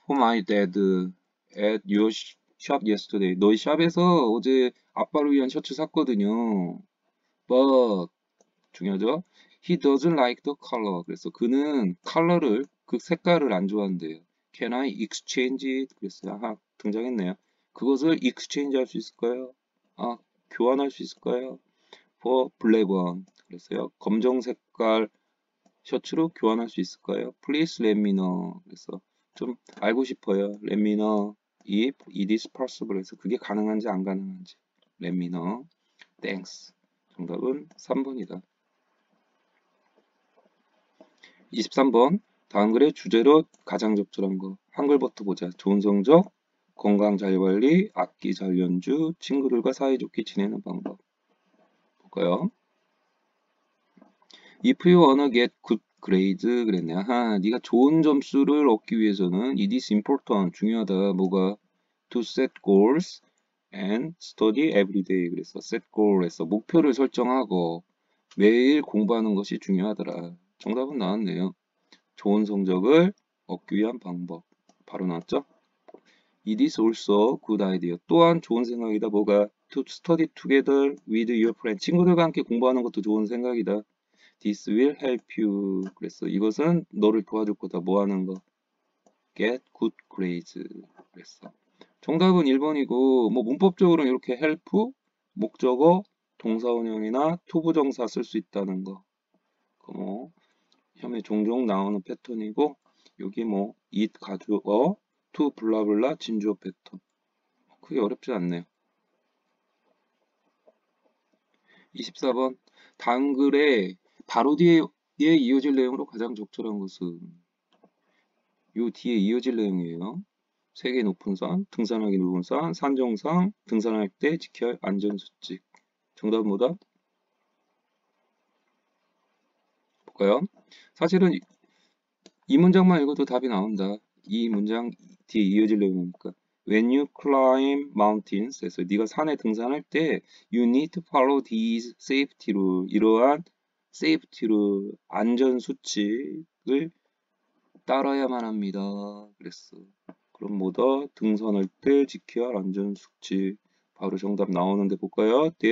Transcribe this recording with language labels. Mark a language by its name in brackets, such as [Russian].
[English] For my dad at your shop yesterday. [Korean] 너희 샵에서 어제 아빠를 위한 셔츠 샀거든요. But 중요하죠? [English] He doesn't like the color. [Korean] 그래서 그는 컬러를 그 색깔을 안 좋아한대요. [English] Can I exchange it? [Korean] 그랬어요. 아하, 등장했네요. 그것을 exchange 할수 있을까요? 아, 교환할 수 있을까요? [English] For black one. [Korean] 그래서요. 검정 색깔 셔츠로 교환할 수 있을까요? [English] Please let me know. [Korean] 그래서 좀 알고 싶어요. [English] Let me know if it is possible. [Korean] 그래서 그게 가능한지 안 가능한지. [English] Let me know. Thanks. [Korean] 정답은 3번이다. 23번. 다음 글의 주제로 가장 적절한 거. 한글부터 보자. 좋은 성적, 건강 잘 관리, 악기 잘 연주, 친구들과 사이좋게 지내는 방법. 볼까요? [English] If you wanna get good grades, [Korean] 그랬네. 아하, 네가 좋은 점수를 얻기 위해서는 [English] it is important, [Korean] 중요하다. 뭐가? [English] To set goals and study every day. [Korean] 그래서 set goal 해서 목표를 설정하고 매일 공부하는 것이 중요하더라. 정답은 나왔네요. 좋은 성적을 얻기 위한 방법. 바로 나왔죠? [English] It is also good idea. [Korean] 또한 좋은 생각이다. 뭐가? [English] To study together with your friends. [Korean] 친구들과 함께 공부하는 것도 좋은 생각이다. [English] This will help you. [Korean] 그래서 이것은 너를 도와줄 거다. 뭐 하는 거? [English] Get good grades. [Korean] 그랬어. 정답은 1번이고, 뭐 문법적으로 이렇게 help, 목적어, 동사원형이나 to 부정사 쓸수 있다는 거. 그거 뭐, 시험에 종종 나오는 패턴이고, 여기 뭐, it 가주어, to 블라블라 진주어 패턴. 크게 어렵지 않네요. 24번. 다음 글에 바로 뒤에 이어질 내용으로 가장 적절한 것은 요 뒤에 이어질 내용이에요. 3개 높은 산, 등산하기 높은 산, 산정상, 등산할 때 지켜야 할 안전수칙. 정답은 뭐다? 볼까요? 사실은 이 문장만 읽어도 답이 나온다. 이 문장 뒤에 이어질 내용이니까. When you climb mountains, 해서 네가 산에 등산할 때 you need to follow these safety rules. 이러한 safety rule, 안전수칙을 따라야만 합니다. 그랬어. 그럼 뭐다? 등산할 때 지켜야 할 안전수칙. 바로 정답 나오는데 볼까요?